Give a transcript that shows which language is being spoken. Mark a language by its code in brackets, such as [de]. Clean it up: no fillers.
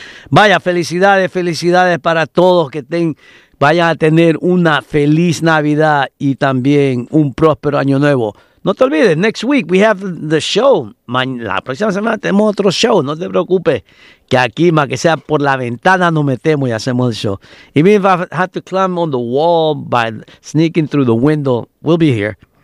[es] Vaya, felicidades para todos que vayan a tener una feliz Navidad y también un próspero Año Nuevo. No te olvides, [en] next week we have the show. [es] La próxima semana tenemos otro show. No te preocupes. Que aquí, más que sea por la ventana, nos metemos y hacemos el show. [en] Even if I have to climb on the wall by sneaking through the window, we'll be here.